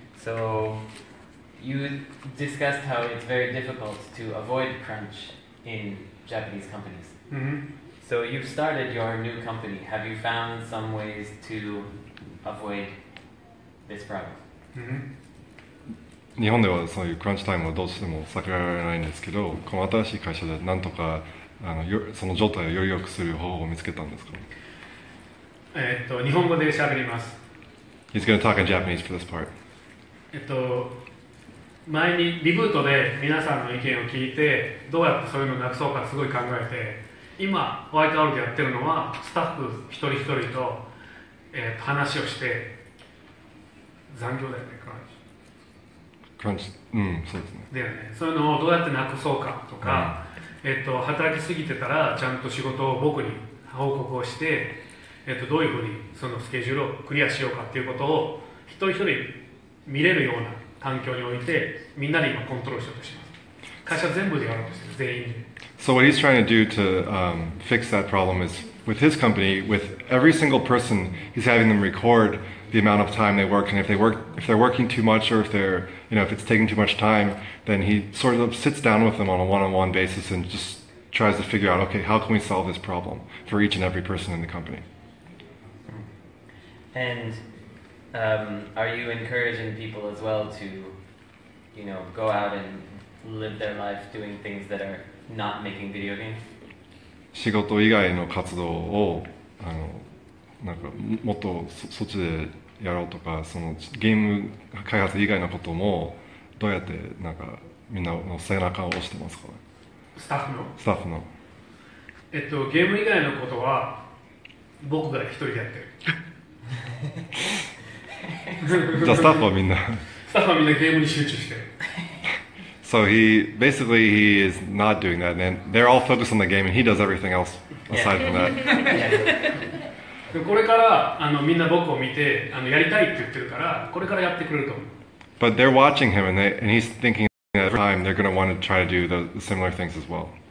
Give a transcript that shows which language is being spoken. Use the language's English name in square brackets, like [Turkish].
[English] So... you discussed how it's very difficult to avoid crunch in Japanese companies. Mm-hmm. So you've started your new company. Have you found some ways to avoid this problem? Mm-hmm. [Japanese] 日本ではそういうクランチタイムはどうしても避けられないんですけど、この新しい会社でなんとかあのその状態をより良くする方法を見つけたんですか？日本語で喋ります。 [English] He's going to talk in Japanese for this part. [Japanese] 前にリブートで皆さんの意見を聞いてどうやってそういうのをなくそうかすごい考えて、今ホワイトアウトやってるのはスタッフ一人一人 と、話をして、残業だよね、クランチ、クランチ、うん、そうですね、だよね、そういうのをどうやってなくそうかとか、うん、働きすぎてたらちゃんと仕事を僕に報告をして、どういうふうにそのスケジュールをクリアしようかっていうことを一人一人見れるような環境においてみんなで今コントロールしようとします。会社全部でやろうとしてる、全員で。 [English] So what he's trying to do to fix that problem is with his company, with every single person, he's having them record the amount of time they work, and if they're working too much, or if they're, you know, if it's taking too much time, then he sort of sits down with them on a one-on-one basis and just tries to figure out, okay, how can we solve this problem for each and every person in the company. And are you encouraging people as well to, you know, go out and live their life doing things that are not making video games? [Japanese] 仕事以外の活動をあのなんかもっと そっちでやろうとか、そのゲーム開発以外のこともどうやってなんかみんなの背中を押してますか？スタッフの？スタッフの。ゲーム以外のことは僕が一人でやってる。じゃあスタッフはみんな。スタッフはみんなゲームに集中してる。 [English] So he basically he is not doing that. Then they're all focused on the game, and he does everything else aside from that. [Japanese] これからあのみんな僕を見てあのやりたいって言ってるから、これからやってくれると思う。 [English] But they're watching him, and he's thinking that every time they're going to want to try to do the similar things as well.